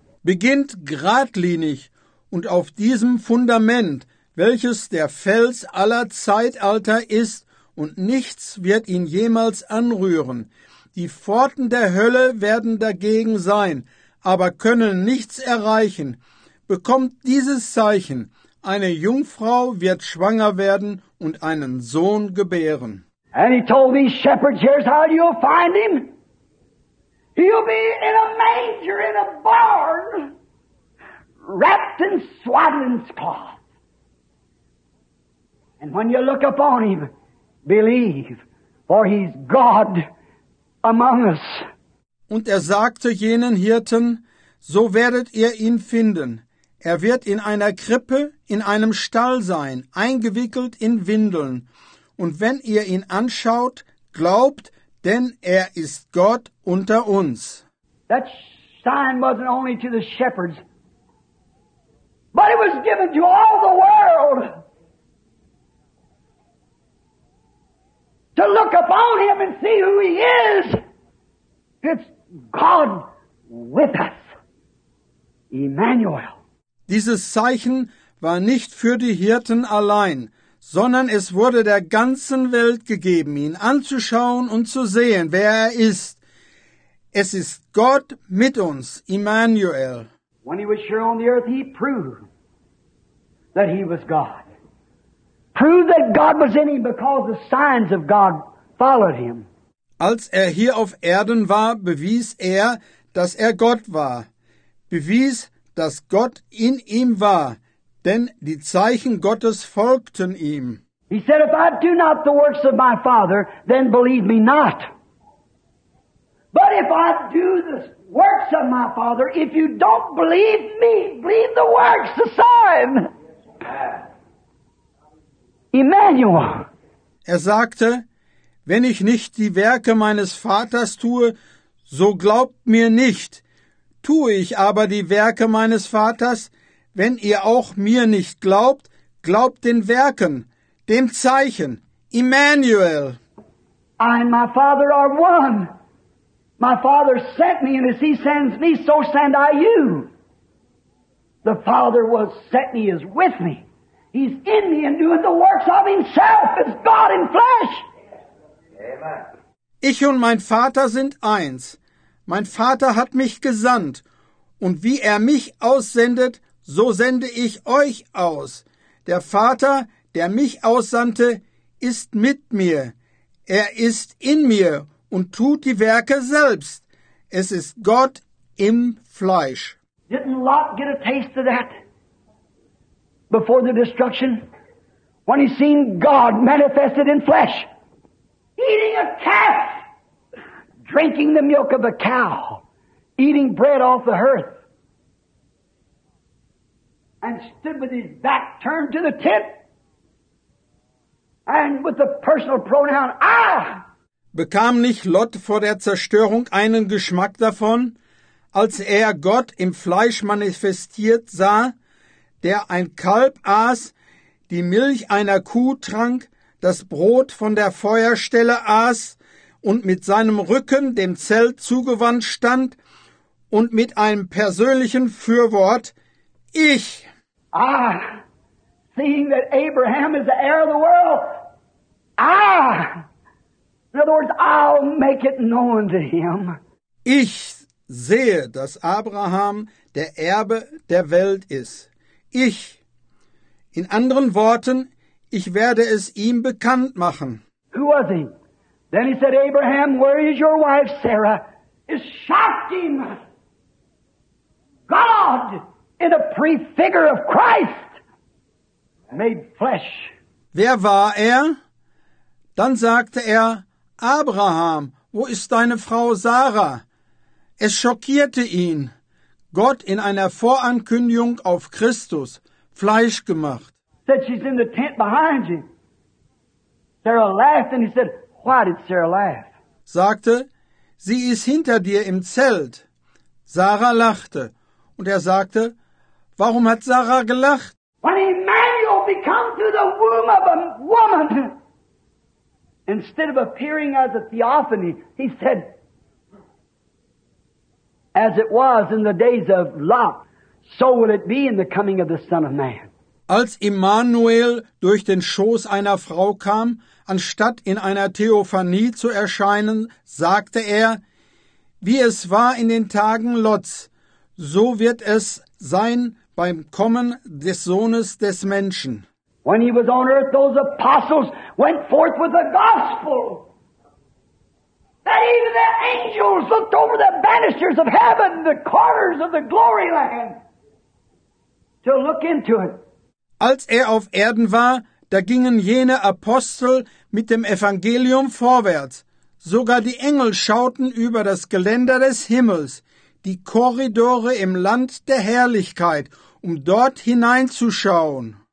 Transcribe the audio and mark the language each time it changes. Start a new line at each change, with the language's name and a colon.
German: Beginnt geradlinig und auf diesem Fundament, welches der Fels aller Zeitalter ist, und nichts wird ihn jemals anrühren. Die Pforten der Hölle werden dagegen sein, aber können nichts erreichen. Bekommt dieses Zeichen. Eine Jungfrau wird schwanger werden und einen Sohn gebären.
English: And he told these shepherds, here's how you'll find him. He'll be in a manger, in a barn, wrapped in swaddling's cloth. And when you look upon him, believe, for he's God among us.
German: Und er sagte jenen Hirten, so werdet ihr ihn finden. Er wird in einer Krippe, in einem Stall sein, eingewickelt in Windeln. Und wenn ihr ihn anschaut, glaubt, denn er ist Gott unter uns.
English: That sign wasn't only to the shepherds, but it was given to all the world to look upon him and see who he is. It's God with us. Emmanuel.
German: Dieses Zeichen war nicht für die Hirten allein, sondern es wurde der ganzen Welt gegeben, ihn anzuschauen und zu sehen, wer er ist. Es ist Gott mit uns, Immanuel.
English: When he was here on the earth, he proved that he was God. proved that God was in him because the signs of God followed him.
German: Als er hier auf Erden war, bewies er, dass er Gott war. Bewies, dass Gott in ihm war, denn die Zeichen Gottes folgten ihm.
English: He said, if I do not the works of my Father, then believe me not. But if I do the works of my Father, if you don't believe me, believe the works, the sign. Emmanuel.
German: Er sagte, wenn ich nicht die Werke meines Vaters tue, so glaubt mir nicht. Tue ich aber die Werke meines Vaters, wenn ihr auch mir nicht glaubt, glaubt den Werken, dem Zeichen, Immanuel.
English: I and my Father are one. My Father sent me, and as he sends me, so send I you. The Father was sent me, is with me. He's in me and doing the works of himself as God in flesh.
German: Ich und mein Vater sind eins. Mein Vater hat mich gesandt, und wie er mich aussendet, so sende ich euch aus. Der Vater, der mich aussandte, ist mit mir. Er ist in mir und tut die Werke selbst. Es ist Gott im Fleisch.
English: Didn't Lot get a taste of that before the destruction? When he seen God manifested in flesh. Eating a calf, drinking the milk of a cow, eating bread off the hearth, and stood with his back turned to the tent, and with the personal pronoun, I.
German: Bekam nicht Lot vor der Zerstörung einen Geschmack davon, als er Gott im Fleisch manifestiert sah, der ein Kalb aß, die Milch einer Kuh trank, das Brot von der Feuerstelle aß und mit seinem Rücken dem Zelt zugewandt stand und mit einem persönlichen Fürwort, ich.
English: Ah, seeing that Abraham is the heir of the world. Ah, in other words, I'll make it known to him.
German: Ich sehe, dass Abraham der Erbe der Welt ist. Ich. In anderen Worten, ich werde es ihm bekannt machen.
English: Who was he? Then he said, Abraham, where is your wife, Sarah? It shocked him. God, in a prefigure of Christ, made flesh.
German: Wer war er? Dann sagte er, Abraham, wo ist deine Frau Sarah? Es schockierte ihn. Gott in einer Vorankündigung auf Christus, Fleisch gemacht.
English: Said she's in the tent behind you. Sarah laughed, and he said, "Why did Sarah laugh?"
German: Sagte, sie ist hinter dir im Zelt. Sarah lachte, und sagte, warum hat Sarah gelacht?
English: When Emmanuel becomes through the womb of a woman, instead of appearing as a theophany, he said, "As it was in the days of Lot, so will it be in the coming of the Son of Man."
German: Als Immanuel durch den Schoß einer Frau kam, anstatt in einer Theophanie zu erscheinen, sagte er, wie es war in den Tagen Lots, so wird es sein beim Kommen des Sohnes des Menschen.
English: When he was on earth, those apostles went forth with the gospel. That even the angels looked over the banisters of heaven, the corners of the glory land, to look into it.
German: Als er auf Erden war, da gingen jene Apostel mit dem Evangelium vorwärts. Sogar die Engel schauten über das Geländer des Himmels, die Korridore im Land der Herrlichkeit, um dort hineinzuschauen.